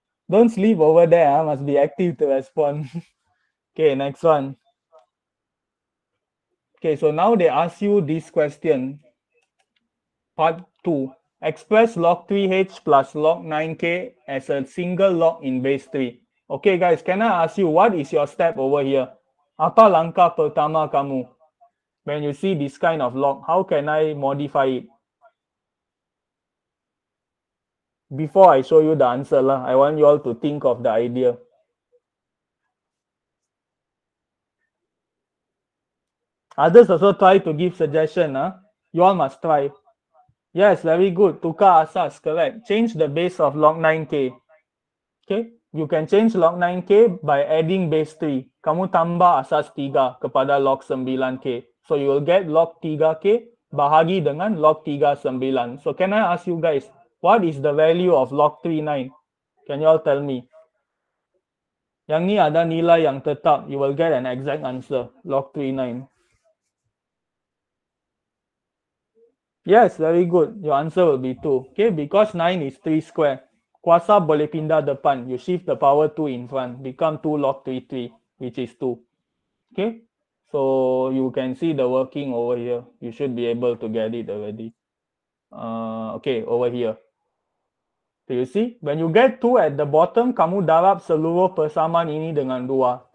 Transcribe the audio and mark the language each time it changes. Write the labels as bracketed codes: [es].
[en] Don't sleep over there, I must be active to respond. Okay, next one. Okay, so now they ask you this question. Part 2. Express log 3H plus log 9K as a single log in base 3. Okay guys, can I ask you, what is your step over here? [ms] Apa langkah pertama kamu? [en] When you see this kind of log, how can I modify it? Before I show you the answer lah, I want you all to think of the idea. Others also try to give suggestion. You all must try. Yes, very good. [ms] Tukar asas, [en] correct. Change the base of log 9K. Okay, you can change log 9K by adding base 3. [ms] Kamu tambah asas 3 kepada log 9K. [en] So you will get log 3K [ms] bahagi dengan [en] log 39. So can I ask you guys, what is the value of log 39? Can you all tell me? [ms] Yang ni ada nilai yang tetap. [en] You will get an exact answer. Log 39. Yes, very good. Your answer will be 2. Okay, because 9 is 3 square. [ms] Kuasa boleh pindah depan. [en] You shift the power 2 in front. Become 2 log 33, which is 2. Okay, so you can see the working over here. You should be able to get it already. Okay, over here. So you see, when you get 2 at the bottom, [ms] kamu darab seluruh persamaan ini dengan 2.